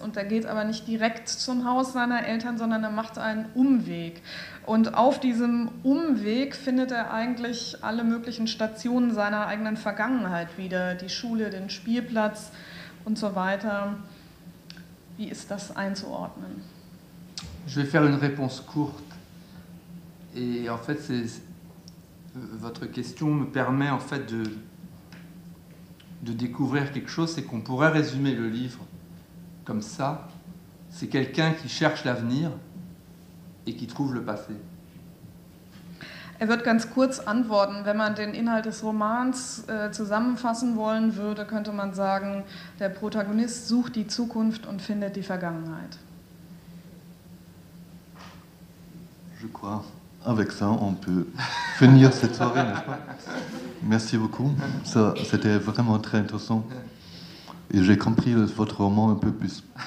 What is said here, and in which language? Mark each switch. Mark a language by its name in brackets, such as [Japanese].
[German] Und er geht aber nicht direkt zum Haus seiner Eltern, sondern er macht einen Umweg. Und auf diesem Umweg findet er eigentlich alle möglichen Stationen seiner eigenen Vergangenheit wieder. Die Schule, den Spielplatz und so weiter. Wie ist das einzuordnen? [French] Je vais faire une réponse courte. Et en fait, votre question me permet en fait de découvrir quelque chose, c'est qu'on pourrait résumer le livre comme ça. C'est quelqu'un qui cherche l'avenir et qui trouve le passé. [German] Er wird ganz kurz antworten. Wenn man den Inhalt des Romans zusammenfassen wollen würde, könnte man sagen, der Protagonist sucht die Zukunft und findet die Vergangenheit. [French] Je crois, avec ça, on peut finir cette soirée, n'est-ce pas? Merci beaucoup. Ça, c'était vraiment très intéressant. Et j'ai compris votre roman un peu plus.